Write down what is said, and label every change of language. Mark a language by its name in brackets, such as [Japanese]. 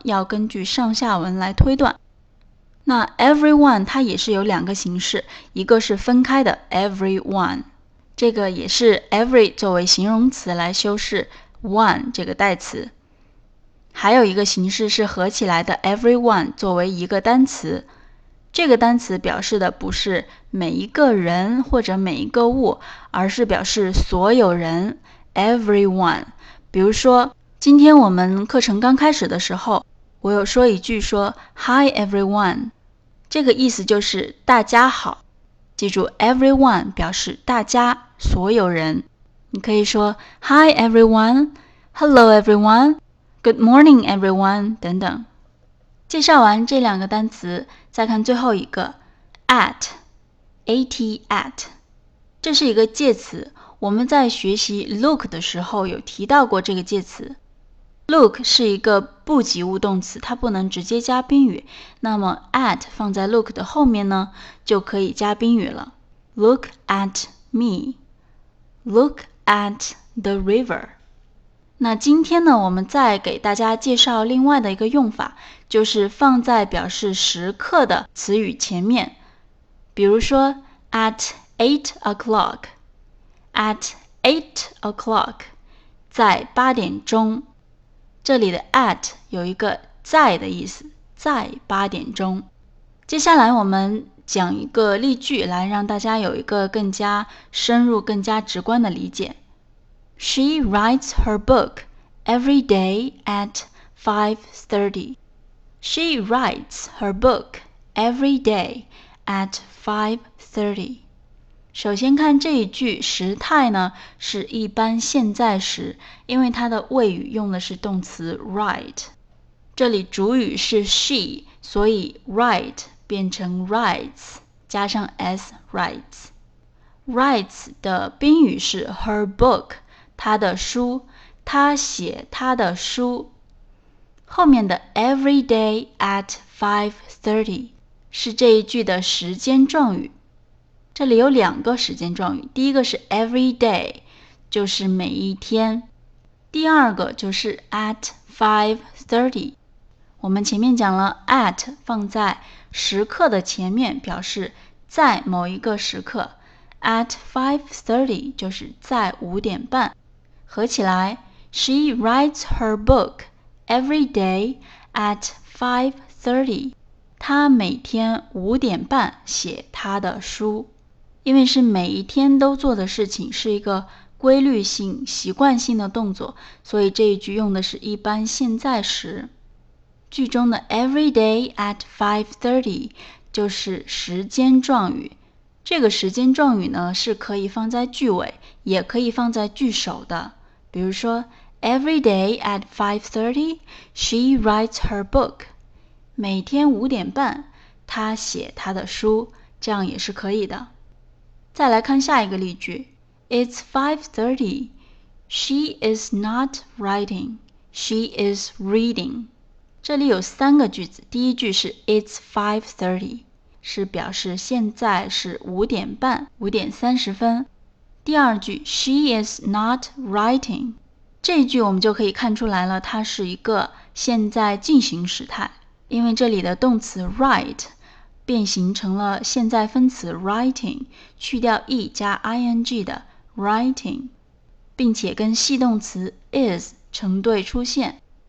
[Chinese] 要根据上下文来推断。那 everyone 它也是有两个形式，一个是分开的 everyone， 这个也是 every 作为形容词来修饰 one 这个代词，还有一个形式是合起来的 everyone 作为一个单词，这个单词表示的不是每一个人或者每一个物，而是表示所有人 ,everyone。比如说今天我们课程刚开始的时候，我有说一句说 , [English] Hi everyone, [Chinese] 这个意思就是大家好。记住 ,everyone 表示大家所有人。你可以说 [English] ,Hi everyone,Hello everyone,Good morning everyone, 等等。 [Chinese] 介绍完这两个单词，再看最后一个 at, at, at, 这是一个介词，我们在学习 look 的时候有提到过这个介词。 look 是一个不及物动词，它不能直接加宾语，那么 at 放在 look 的后面呢，就可以加宾语了。 [English] look at me, look at the river。 [Chinese] 那今天呢，我们再给大家介绍另外的一个用法，就是放在表示时刻的词语前面。 [English] 比如说 at 8 o'clock, at 8 o'clock, [Chinese] 在八点钟。这里的 at 有一个在的意思，在八点钟。接下来我们讲一个例句来让大家有一个更加深入、更加直观的理解。 [English] She writes her book every day at 5:30. She writes her book every day at 5:30. [Chinese] 首先看这一句时态呢，是一般现在时，因为它的谓语用的是动词 write。这里主语是 she， 所以 write 变成 writes， 加上 s writes。 writes 的宾语是 her book， 她的书，她写她的书。后面的 [English] every day at 5:30 [Chinese] 是这一句的时间状语。这里有两个时间状语，第一个是 every day， 就是每一天；第二个就是 at 5:30。我们前面讲了 at 放在时刻的前面，表示在某一个时刻。 at 5:30 就是在五点半。合起来 [English] ，She writes her book every day at 5:30。 [Chinese] 她每天五点半写她的书。因为是每一天都做的事情，是一个规律性、习惯性的动作，所以这一句用的是一般现在时。句中的 [English] every day at 5:30 [Chinese] 就是时间状语。这个时间状语呢，是可以放在句尾，也可以放在句首的。比如说 [English] every day at 5:30 she writes her book， [Chinese] 每天五点半她写她的书，这样也是可以的。再来看下一个例句， [English] It's 5:30 she is not writing, she is reading。 [Chinese] 这里有三个句子，第一句是 [English] It's 5:30， [Chinese] 是表示现在是五点半，五点三十分。第二句 [English] She is not writing， [Chinese] 这一句我们就可以看出来了，它是一个现在进行时态，因为这里的动词 write 变形成了现在分词 writing， 去掉 e 加 ing 的 writing， 并且跟系动词 is 成对出现。